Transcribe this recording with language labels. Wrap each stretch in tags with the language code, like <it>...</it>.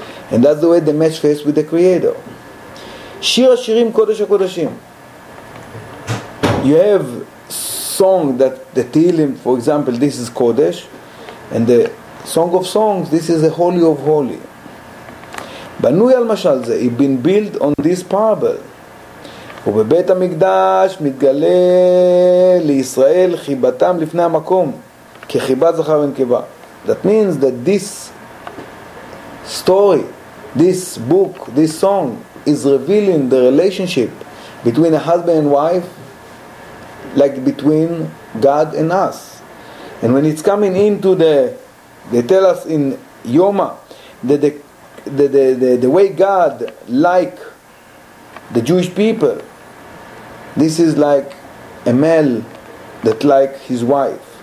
<en>And that's the way they match face with the Creator. Shir Hashirim Kodesh HaKodeshim. You have song that the Tehillim, for example, this is Kodesh. And the Song of Songs, this is the Holy of Holy.</en> <he>Banui al Mashal Zeh,</he> <en>it's been built on this parable.</en> <he>ובבית המקדש מתגלה לישראל חיבתם לפני המקום, כחיבת זכר ונקבה.</he> <en>That means that this story, this book, this song is revealing the relationship between a husband and wife, like between God and us. And when it's coming into the, they tell us in Yoma that the way God like the Jewish people, this is like a male that like his wife.</en>